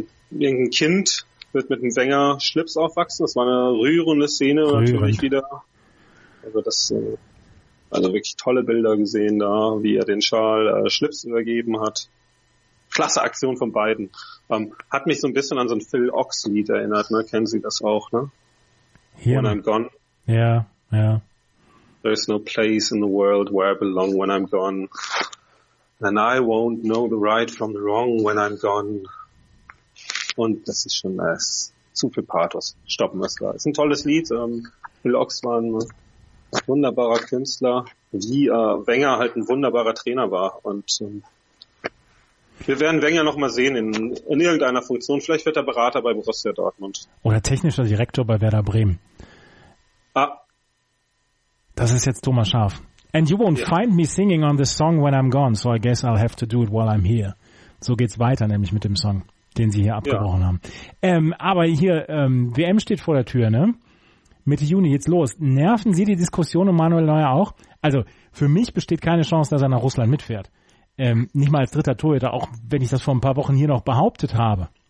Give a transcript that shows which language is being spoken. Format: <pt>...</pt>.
<de>Irgendein Kind wird mit dem Wenger Schlips aufwachsen. Das war eine rührende Szene natürlich wieder. Also das, also wirklich tolle Bilder gesehen da, wie er den Schal Schlips übergeben hat. Klasse Aktion von beiden. Hat mich so ein bisschen an so ein Phil Ox-Lied erinnert, ne? Kennen Sie das auch, ne? Hier.</de> <en>When I'm gone.</en> <de>Ja, ja.</de> <en>There's no place in the world where I belong when I'm gone. And I won't know the right from the wrong when I'm gone.</en> <de>Und das ist schon zu viel Pathos. Stoppen wir es gleich. Ist ein tolles Lied. Bill Ox war ein wunderbarer Künstler. Wie Wenger halt ein wunderbarer Trainer war. Und wir werden Wenger nochmal sehen in irgendeiner Funktion. Vielleicht wird er Berater bei Borussia Dortmund. Oder technischer Direktor bei Werder Bremen. Ah. Das ist jetzt Thomas Schaaf.</de> <en>And you won't find me singing on this song when I'm gone, so I guess I'll have to do it while I'm here.</en> <de>So geht's weiter, nämlich mit dem Song, den Sie hier abgebrochen haben. Aber hier, WM steht vor der Tür, ne? Mitte Juni, jetzt los. Nerven Sie die Diskussion um Manuel Neuer auch? Also, für mich besteht keine Chance, dass er nach Russland mitfährt. Nicht mal als dritter Torhüter, auch wenn ich das vor ein paar Wochen hier noch behauptet habe.</de>